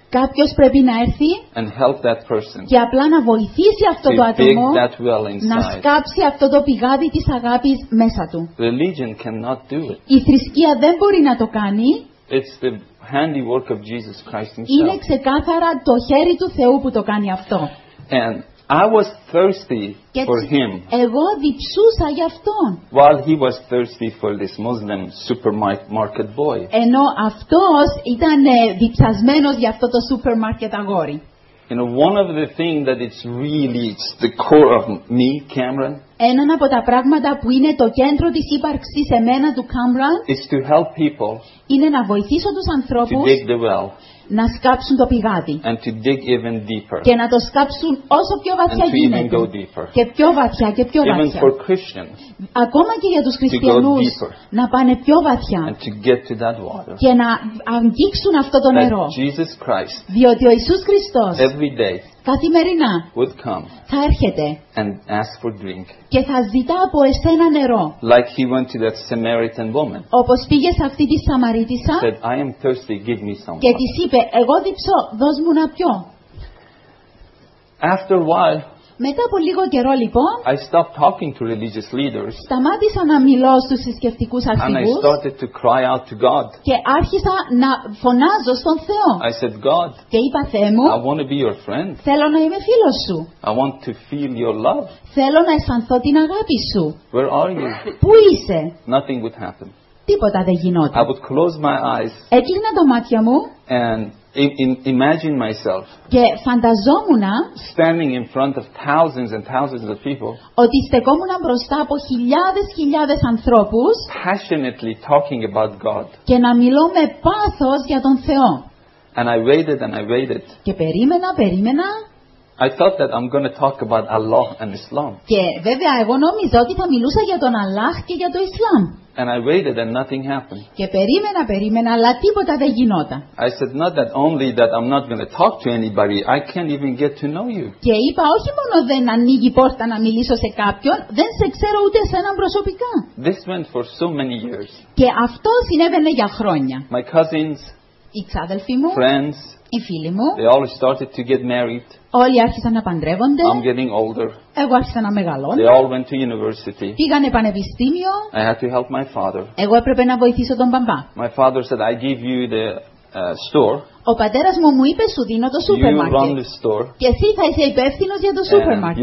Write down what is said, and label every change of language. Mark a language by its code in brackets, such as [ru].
[el] Κάποιος πρέπει να έρθει [en] and help that person [el] και απλά να βοηθήσει αυτό το άτομο [en] that well inside. [el] Να σκάψει αυτό το πηγάδι της αγάπης μέσα του. [en] Religion cannot do it. [el] Η θρησκεία δεν μπορεί να το κάνει. [en] It's the handiwork of Jesus Christ himself. [el] Είναι ξεκάθαρα το χέρι του Θεού που το κάνει αυτό. [en] And I was thirsty for him. [el] Εγώ διψούσα για αυτόν. [en] While he was thirsty for this Muslim supermarket boy. [el] Ενώ αυτός ήταν διψασμένος για αυτό το supermarket αγόρι. [en] You know, one of the things that it's really it's the core of me, Cameron. [el] Ένα από τα πράγματα που είναι το κέντρο της ύπαρξης εμένα του Cameron. [en] Is to help people. [el] Είναι να βοηθήσω τους ανθρώπους. [en] To dig the well. [el] Να σκάψουν το πηγάδι. [en] And to dig even deeper. [el] Και να το σκάψουν όσο πιο βαθιά [en] and [el] γίνεται. [en] And to even go deeper. [el] Και πιο βαθιά και πιο [en] even [el] βαθιά. [en] Even for Christians. [el] Ακόμα και για τους χριστιανούς. [en] To go deeper. [el] Να πάνε πιο βαθιά. [en] And to get to that water. [el] Και να αγγίξουν αυτό το νερό. [en] That Jesus Christ. [el] Διότι ο Ιησούς Χριστός. [en] Every day. [el] Καθημερινά. [en] Would come. [el] Θα έρχεται. [en] And ask for drink. [el] Και θα ζητά από εσένα νερό. [en] Like he went to that Samaritan woman. [el] Όπως πήγε σε αυτή τη Σαμαρίτισσα. [en] Said, I am thirsty, give me some. [el] Και της είπε, εγώ διψώ, δώσ' μου να πιω. [en] After a while. [el] Μετά από λίγο καιρό λοιπόν. [en] I stopped talking to religious leaders. [el] Σταμάτησα να μιλώ στους θρησκευτικούς αρχηγούς. [en] And I started to cry out to God. [el] Και άρχισα να φωνάζω στον Θεό. [en] I said, God. [el] Και είπα, Θεέ μου. [en] I want to be your friend. [el] Θέλω να είμαι φίλος σου. [en] I want to feel your love. [el] Θέλω να αισθανθώ την αγάπη σου. [en] Where are you? [el] Πού είσαι? [en] Nothing would happen. [el] Τίποτα δεν γινόταν. [en] I would close my eyes. [el] Έκλεινα τα μάτια μου. [en] And imagine myself [el] και φανταζόμουν [en] standing in front of thousands and thousands of people [el] ότι στεκόμουν μπροστά από χιλιάδες χιλιάδες ανθρώπους [en] passionately talking about God [el] και να μιλώ με πάθος για τον Θεό. [en] And I waited and I waited [el] και περίμενα [en] I thought that I'm going to talk about Allah and Islam [el] και βέβαια εγώ νόμιζα ότι θα μιλούσα για τον Αλλάχ και για το Ισλάμ. [en] And I waited and nothing happened. [el] Και περίμενα, αλλά τίποτα δεν γινόταν. [en] I said not that only that I'm not going to talk to anybody, I can't even get to know you. [el] Και είπα όχι μόνο δεν ανοίγει πόρτα να μιλήσω σε κάποιον, δεν σε ξέρω ούτε εσένα προσωπικά. [en] This went for so many years. [el] Και αυτό συνέβαινε για χρόνια. [en] My cousins, [el] οι ξάδελφοι μου, [en] friends, [el] οι φίλοι μου, [en] they all started to get married. [el] Όλοι άρχισαν να παντρεύονται. [en] I'm getting older. [el] Εγώ άρχισα να μεγαλώνω. [en] They all went to university. [el] Πήγανε πανεπιστήμιο. [en] I had to help my father. [el] Εγώ έπρεπε να βοηθήσω τον μπαμπά. [en] My father said, I give you the store. [el] Ο πατέρας μου μου είπε, σου δίνω το σούπερ μάρκετ. [en] You run the store. [el] Και εσύ θα είσαι υπεύθυνος για το σούπερ μάρκετ.